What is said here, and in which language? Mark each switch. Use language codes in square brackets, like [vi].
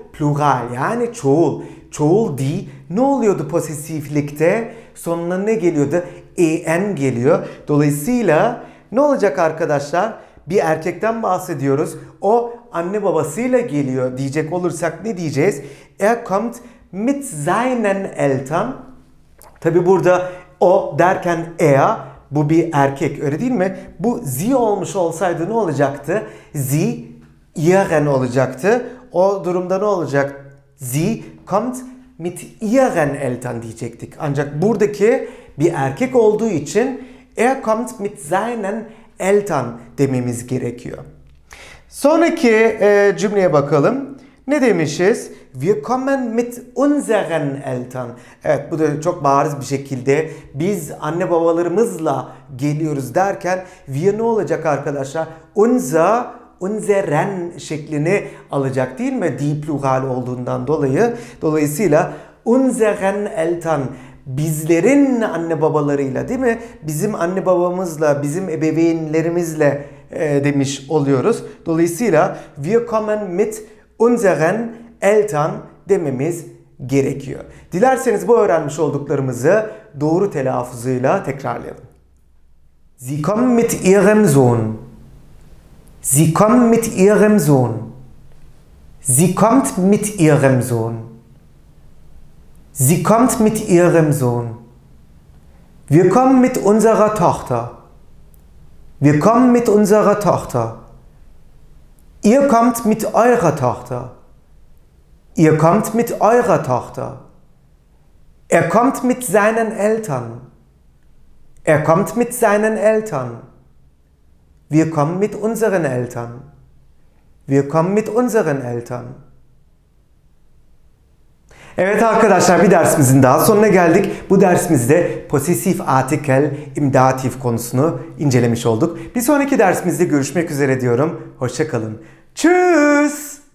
[tr] Plural yani çoğul. Çoğul die. Ne oluyordu posesiflikte? Sonuna ne geliyordu? En geliyor. Dolayısıyla ne olacak arkadaşlar? Bir erkekten bahsediyoruz. O anne babasıyla geliyor diyecek olursak ne diyeceğiz? [de] Er kommt mit seinen Eltern. [tr] Tabi burada o derken er, bu bir erkek öyle değil mi? Bu sie olmuş olsaydı ne olacaktı? Sie ihren olacaktı. O durumda ne olacak? [de] Sie kommt mit ihren Eltern [tr] diyecektik. Ancak buradaki bir erkek olduğu için [de] er kommt mit seinen Eltern [tr] dememiz gerekiyor. Sonraki cümleye bakalım. Ne demişiz? [de] Wir kommen mit unseren Eltern. [tr] Evet, bu da çok bariz bir şekilde biz anne babalarımızla geliyoruz derken wir ne olacak arkadaşlar? Unseren şeklini alacak değil mi? Die plural olduğundan dolayı. Dolayısıyla unseren Eltern bizlerin anne babalarıyla değil mi? Bizim anne babamızla, bizim ebeveynlerimizle demiş oluyoruz. Dolayısıyla [de] wir kommen mit unseren Eltern [tr] dememiz gerekiyor. Dilerseniz bu öğrenmiş olduklarımızı doğru telaffuzuyla tekrarlayalım. [de] Sie kommen mit ihrem Sohn. Sie kommen mit ihrem Sohn. Sie kommt mit ihrem Sohn. Sie kommt mit ihrem Sohn. Wir kommen mit unserer Tochter. Wir kommen mit unserer Tochter. Ihr kommt mit eurer Tochter. Ihr kommt mit eurer Tochter. Er kommt mit seinen Eltern. Er kommt mit seinen Eltern. Wir kommen mit unseren Eltern. Wir kommen mit unseren Eltern. [tr] Evet arkadaşlar, bir dersimizin daha sonuna geldik. Bu dersimizde possessive article im dativ konusunu incelemiş olduk. Bir sonraki dersimizde görüşmek üzere diyorum. Hoşça kalın. Tschüss.